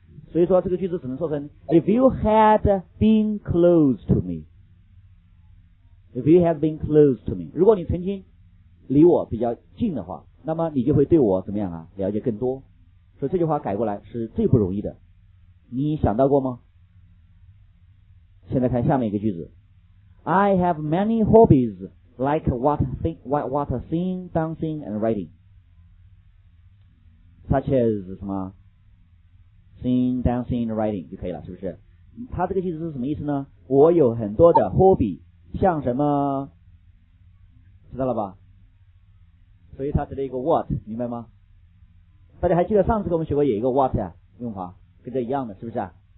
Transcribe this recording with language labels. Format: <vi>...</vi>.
<zh>所以说这个句子只能说成</zh> <en>if you had been close to me， if you had been close to me，</en> <zh>如果你曾经离我比较近的话，那么你就会对我怎么样啊，了解更多。所以这句话改过来是最不容易的，你想到过吗？现在看下面一个句子，</zh> <en>I have many hobbies like what singing, dancing and writing， such as</en> <zh>什么</zh> <en>singing, dancing, writing</en> <zh>就可以了，是不是？他这个句子是什么意思呢？我有很多的 hobby， 像什么，知道了吧？所以他这里一个 what， 明白吗？大家还记得上次跟我们学过有一个 what 啊，用法跟这一样的，是不是啊？</zh>